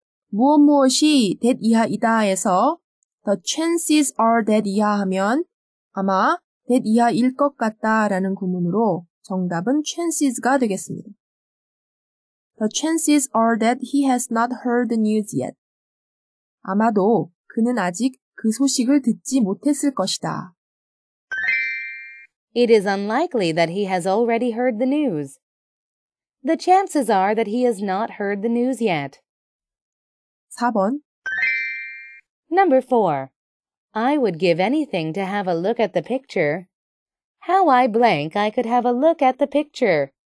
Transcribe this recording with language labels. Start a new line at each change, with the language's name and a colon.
Korean: 무엇무엇이 that 이하이다에서
English: the chances are that
Korean: 이하하면 아마 that 이하일 것 같다라는 구문으로 정답은 chances가 되겠습니다.
English: The chances are that he has not heard the news yet.
Korean: 아마도 그는 아직 그 소식을 듣지 못했을 것이다.
English: It is unlikely that he has already heard the news. The chances are that he has not heard the news yet.
Korean: 4번
English: Number 4. I would give anything to have a look at the picture. How I blank I could have a look at the picture.